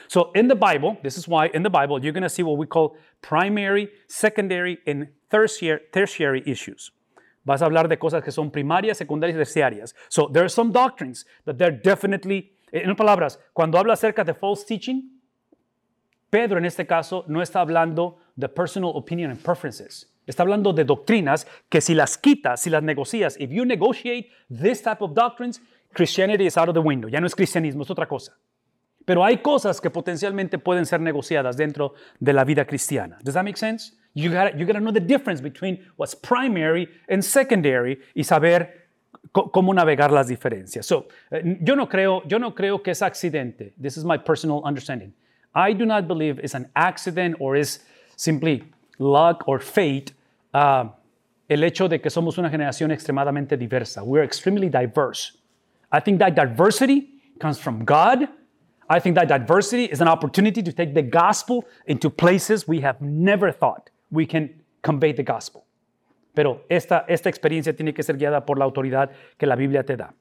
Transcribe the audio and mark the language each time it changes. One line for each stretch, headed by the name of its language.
English: So in the Bible, this is why in the Bible, you're going to see what we call primary, secondary, and tertiary issues.
Spanish: Vas a hablar de cosas que son primarias, secundarias y terciarias.
English: So there are some doctrines that they're definitely.
Spanish: En otras palabras, cuando habla acerca de false teaching, Pedro en este caso no está hablando de
English: personal opinion and preferences.
Spanish: Está hablando de doctrinas que si las quitas, si las negocias,
English: if you negotiate this type of doctrines, Christianity is out of the window.
Spanish: Ya no es cristianismo, es otra cosa. Pero hay cosas que potencialmente pueden ser negociadas dentro de la vida cristiana.
English: Does that make sense? You gotta know the difference between what's primary and secondary
Spanish: y saber cómo navegar las diferencias. So, yo no creo que es accidente.
English: This is my personal understanding. I do not believe it's an accident or is simply luck or fate.
Spanish: El hecho de que somos una generación extremadamente diversa.
English: We're extremely diverse. I think that diversity comes from God. I think that diversity is an opportunity to take the gospel into places we have never thought we can convey the gospel.
Spanish: Pero esta experiencia tiene que ser guiada por la autoridad que la Biblia te da.